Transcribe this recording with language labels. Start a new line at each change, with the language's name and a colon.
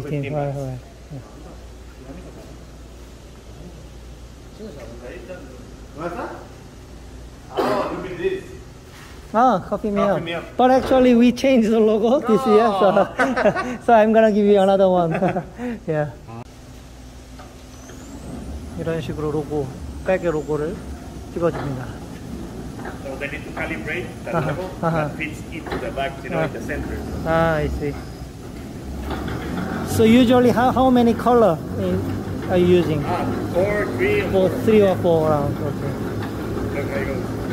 English: What's that? Oh, look at this. Oh, coffee meal. Coffee meal. But actually, we changed the logo this year, so, so I'm gonna give you another one. Yeah.
Korean: 이런 식으로 로고, 백의 로고를 찍어줍니다.
English: So they need to calibrate the logo that fits into the bag, you know, in the center. Ah, I see. So usually how many color are you using? Three or four rounds, okay. Okay, good.